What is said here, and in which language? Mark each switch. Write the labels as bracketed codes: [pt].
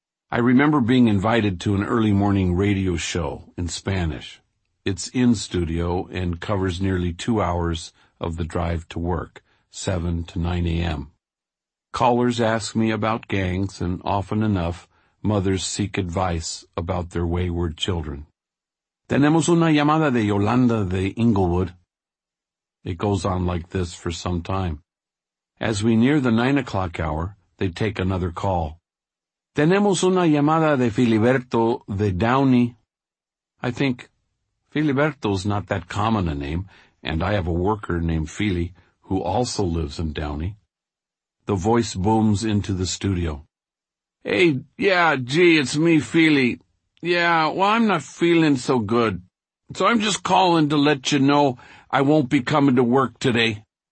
[en] I remember being invited to an early morning radio show in Spanish. It's in studio and covers nearly 2 hours of the drive to work, 7 to 9 a.m. Callers ask me about gangs, and often enough, mothers seek advice about their wayward children. [es] Tenemos una llamada de Yolanda de Inglewood. [en] It goes on like this for some time. As we near the 9 o'clock hour, they take another call. [es] Tenemos una llamada de Filiberto de Downey. [en] I think, Filiberto's not that common a name, and I have a worker named Fili who also lives in Downey. The voice booms into the studio. Hey, yeah, gee, it's me, Fili. Yeah, well, I'm not feeling so good. So I'm just calling to let you know I won't be coming to work today.